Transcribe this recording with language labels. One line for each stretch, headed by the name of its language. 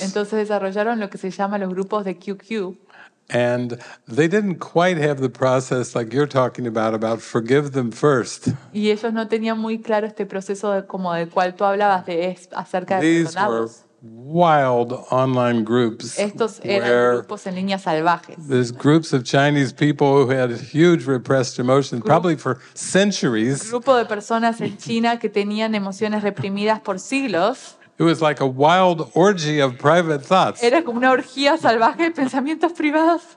Spanish: Entonces desarrollaron lo que se llama los grupos de QQ.
English: And they didn't quite have the process like you're talking about forgive them first.
Spanish: Y ellos no tenían muy claro este proceso de como del cual tú hablabas de acerca de perdonarlos.
English: Wild online groups.
Spanish: Estos eran where grupos en línea salvajes.
English: There's groups of Chinese people who had huge repressed emotions, probably for centuries.
Spanish: Grupo de personas en China que tenían emociones reprimidas por siglos.
English: It was like a wild orgy of private thoughts.
Spanish: Era como una orgía salvaje de pensamientos privados.